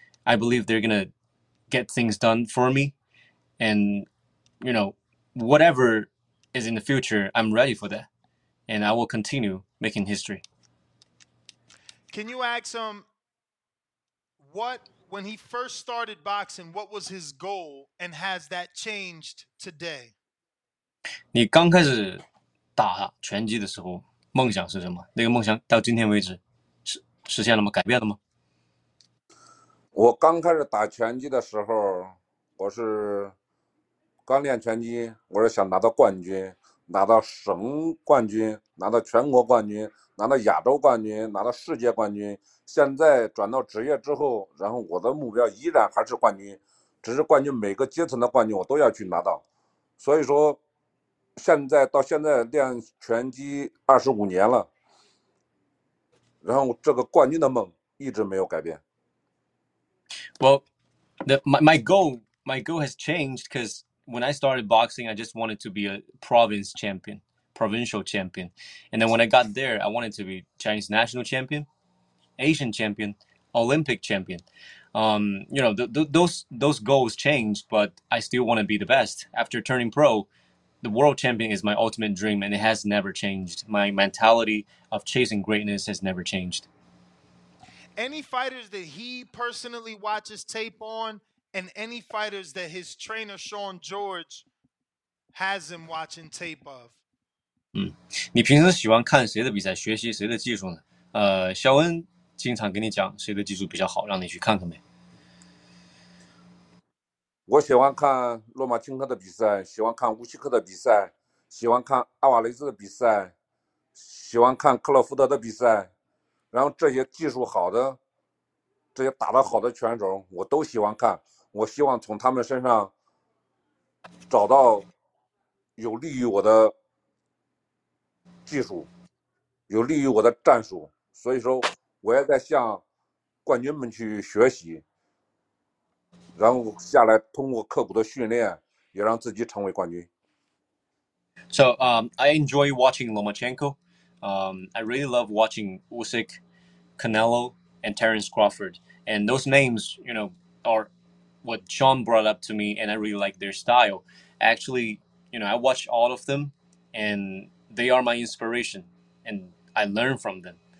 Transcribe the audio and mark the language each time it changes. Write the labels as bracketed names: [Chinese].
[English] I believe they're going to get things done for me. And, you know, whatever is in the future, I'm ready for that. And I will continue making history. Can you ask him what, when he first started boxing, what was his goal and has that changed today? [Chinese] 你刚开始打拳击的时候梦想是什么？那个梦想到今天为止实现了吗？改变了吗？我刚开始打拳击的时候，我是刚练拳击，我是想拿到冠军，拿到省冠军，拿到全国冠军，拿到亚洲冠军，拿到世界冠军。现在转到职业之后，然后我的目标依然还是冠军，只是冠军每个阶层的冠军我都要去拿到。所以说现在到现在练拳击25年了，然后这个冠军的梦一直没有改变。 [English] Well, my goal has changed because when I started boxing, I just wanted to be a province champion, provincial champion. And then when I got there, I wanted to be Chinese national champion, Asian champion, Olympic champion. You know, those goals changed, but I still want to be the best. After turning pro, the world champion is my ultimate dream, and it has never changed. My mentality of chasing greatness has never changed. Any fighters that he personally watches tape on, and any fighters that his trainer, Sean George, has him watching tape of? [Chinese] 你平时喜欢看谁的比赛，学习谁的技术呢？肖恩经常跟你讲谁的技术比较好，让你去看看呗。我喜欢看洛马钦科的比赛，喜欢看乌西克的比赛，喜欢看阿瓦雷兹的比赛，喜欢看克洛福德的比赛，然后这些技术好的，这些打得好的拳手我都喜欢看，我希望从他们身上找到有利于我的技术，有利于我的战术，所以说我也在向冠军们去学习，然后下来通过刻苦的训练也让自己成为冠军。 [English] So I enjoy watching Lomachenko. I really love watching Usyk, Canelo, and Terence Crawford. And those names, you know, are what Sean brought up to me, and I really like their style. Actually, you know, I watch all of them, and they are my inspiration, and I learn from them.